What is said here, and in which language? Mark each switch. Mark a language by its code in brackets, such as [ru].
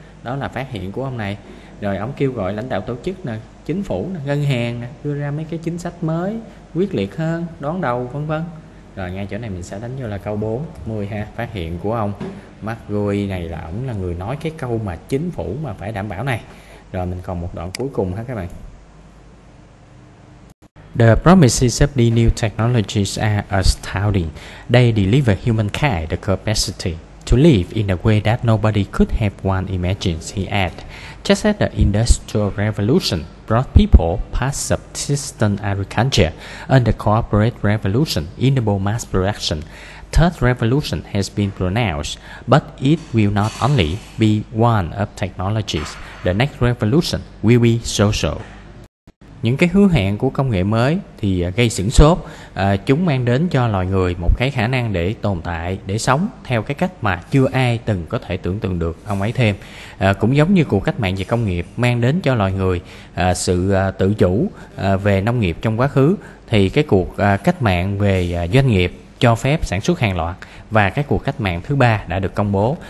[vi] Đó là phát hiện của ông này. Rồi ông kêu gọi lãnh đạo tổ chức nè, chính phủ nè, ngân hàng nè, đưa ra mấy cái chính sách mới quyết liệt hơn, đón đầu vân vân. Rồi ngay chỗ này mình sẽ đánh vô là câu 40 ha. Phát hiện của ông McGoy này là ông là người nói cái câu mà chính phủ mà phải đảm bảo này. Rồi mình còn một đoạn cuối cùng ha các bạn. [en] The promises of the new technologies are astounding. They deliver humankind the capacity to live in a way that nobody could have one imagined, he added. Just as the Industrial Revolution brought people past subsistence agriculture, and the Cooperative Revolution enabled mass production, Third Revolution has been pronounced, but it will not only be one of technologies. The next revolution will be social. [vi] Những cái hứa hẹn của công nghệ mới thì gây sửng sốt. Chúng mang đến cho loài người một cái khả năng để tồn tại, để sống theo cái cách mà chưa ai từng có thể tưởng tượng được, ông ấy thêm. Cũng giống như cuộc cách mạng về công nghiệp mang đến cho loài người sự tự chủ về nông nghiệp trong quá khứ, thì cái cuộc cách mạng về doanh nghiệp cho phép sản xuất hàng loạt, và cái cuộc cách mạng thứ ba đã được công bố.